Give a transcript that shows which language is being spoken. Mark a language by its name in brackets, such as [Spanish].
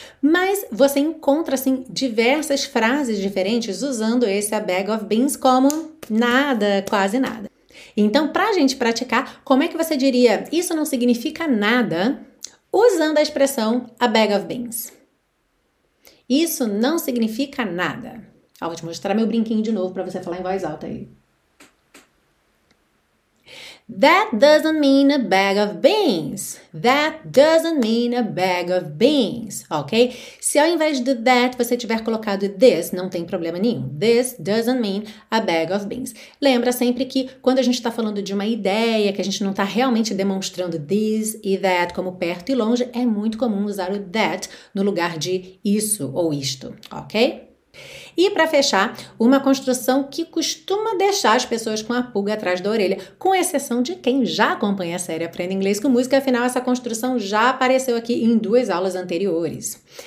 [Portuguese] Mas você encontra, assim, diversas frases diferentes usando esse a bag of beans como nada, quase nada. Então, para a gente praticar, como é que você diria isso não significa nada usando a expressão a bag of beans? Isso não significa nada. Ó, vou te mostrar meu brinquinho de novo para você falar em voz alta aí. [English] That doesn't mean a bag of beans. That doesn't mean a bag of beans, ok? [Portuguese] Se ao invés do that você tiver colocado this, não tem problema nenhum. [English] This doesn't mean a bag of beans. [Portuguese] Lembra sempre que quando a gente está falando de uma ideia, que a gente não está realmente demonstrando this e that como perto e longe, é muito comum usar o that no lugar de isso ou isto, ok? E para fechar, uma construção que costuma deixar as pessoas com a pulga atrás da orelha, com exceção de quem já acompanha a série Aprenda Inglês com Música, afinal essa construção já apareceu aqui em duas aulas anteriores.